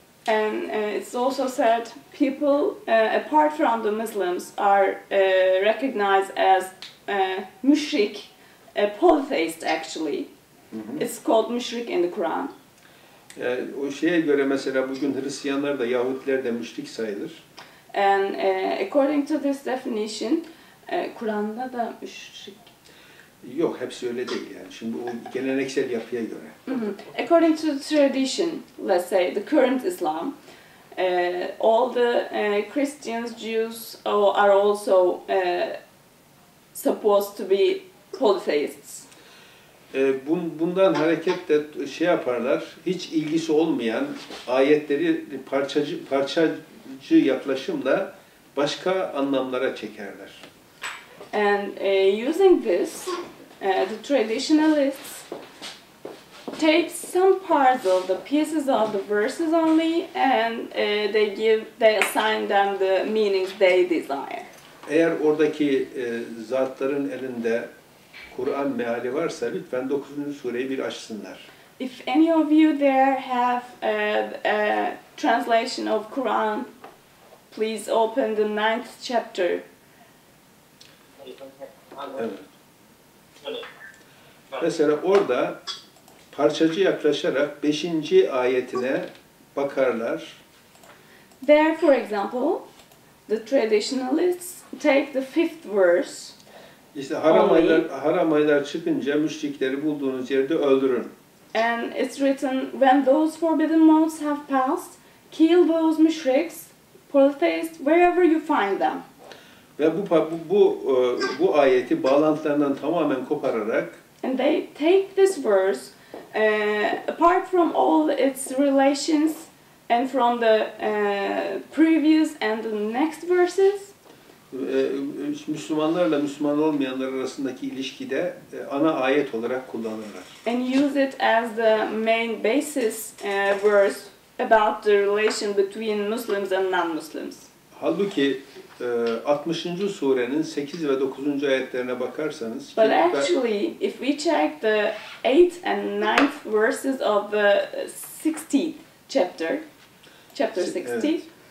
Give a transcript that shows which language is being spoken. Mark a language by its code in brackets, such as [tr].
[en] And it's also said people apart from the Muslims are recognized as müşrik, polytheist actually. Mm-hmm. It's called müşrik in the Quran. [tr] O şeye göre mesela bugün Hristiyanlar da Yahudiler de müşrik sayılır. [en] And according to this definition, [tr] Kur'an'da da müşrik. Yok, hepsi öyle değil yani. Şimdi o geleneksel yapıya göre. Mm-hmm. [en] According to the tradition, let's say the current Islam, all the Christians, Jews are also supposed to be polytheists. [tr] Bundan hareketle şey yaparlar. Hiç ilgisi olmayan ayetleri parçacı yaklaşımla başka anlamlara çekerler. [en] And using this, the traditionalists take some parts of the pieces of the verses only, and they assign them the meanings they desire. [tr] Eğer oradaki zatların elinde Kur'an meali varsa lütfen 9. sureyi bir açsınlar. [en] If any of you there have a translation of Quran, please open the 9th chapter. [tr] Evet. Mesela orada parçacı yaklaşarak 5. ayetine bakarlar. [en] There, for example, the traditionalists take the 5th verse. [tr] İşte haramaylar çıkınca müşrikleri bulduğunuz yerde öldürün. [en] And it's written, when those forbidden months have passed, kill those mushriks, polytheists, wherever you find them. [tr] Ve bu ayeti bağlantılarından tamamen kopararak. [en] And they take this verse, apart from all its relations and from the previous and the next verses. [tr] Müslümanlarla Müslüman olmayanlar arasındaki ilişkide ana ayet olarak kullanırlar. [en] And use it as the main basis verse about the relation between Muslims and non-Muslims. [tr] Halbuki 60. surenin 8 ve 9. ayetlerine bakarsanız. [en] But actually, if we check the 8th and 9th verses of the 16th chapter, chapter 16.